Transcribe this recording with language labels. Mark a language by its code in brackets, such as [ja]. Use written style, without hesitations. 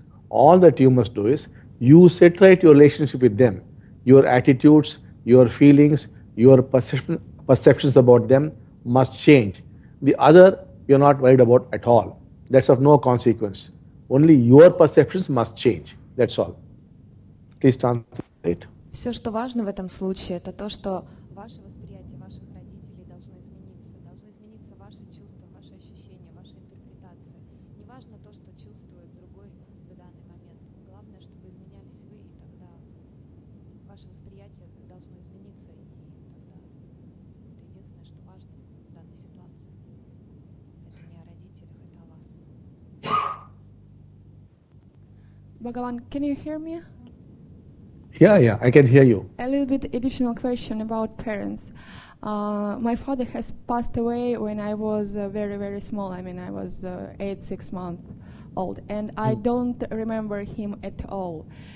[en] All that you must do is, you set right your relationship with them, your attitudes, your feelings, your perceptions about them must change. The other, you're not worried about at all. That's of no consequence. Only your perceptions must change. That's all. Please translate it. [ru] Все, что важно в этом случае, это то, что ваше восприятие ваших родителей должно измениться. Должны измениться ваши чувства, ваши ощущения, ваши интерпретации. Не важно то, что чувствует другой в данный момент. Главное, чтобы изменялись вы, и тогда ваше восприятие должно измениться. И тогда это единственное, что важно в данной ситуации. Это не о родителях, это о вас. [en] Bhagavan, can you hear me? Yeah, I can hear you. A little bit additional question about parents. My father has passed away when I was very, very small. I mean, I was 8, 6 months old. And I don't remember him at all.